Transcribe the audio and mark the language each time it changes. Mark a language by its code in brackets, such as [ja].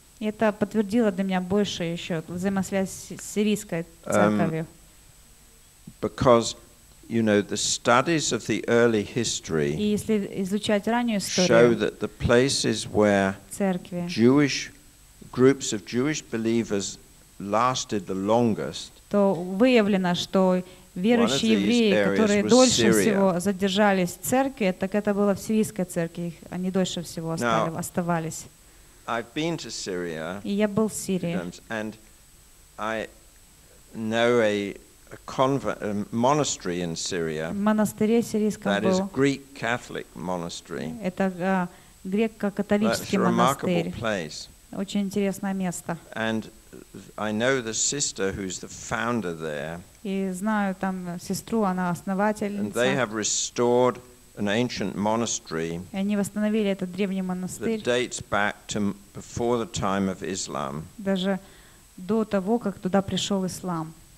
[ru] Это подтвердило для меня больше еще взаимосвязь с сирийской церковью. [en] Because, you know, the studies of the early history show that the places where [ru] церкви, [en] Jewish groups of Jewish believers lasted the longest. [ru] То выявлено, что Верующие евреи, которые дольше всего задержались в церкви, так это было в Сирийской церкви. Они дольше всего оставались. И я был в Сирии. [en] And I know a convent, a monastery in Syria. [ru] В монастыре сирийском был. [en] That is a Greek Catholic monastery. [ru] Это греко-католический монастырь. Очень интересное место. [en] And I know the sister who's the founder there. [ru] И знаю там сестру, она основательница. [en] And they have restored an ancient monastery. [ru] И они восстановили этот древний монастырь. [en] That dates back to before the time of Islam. [ru] Даже до того, как туда пришел ислам.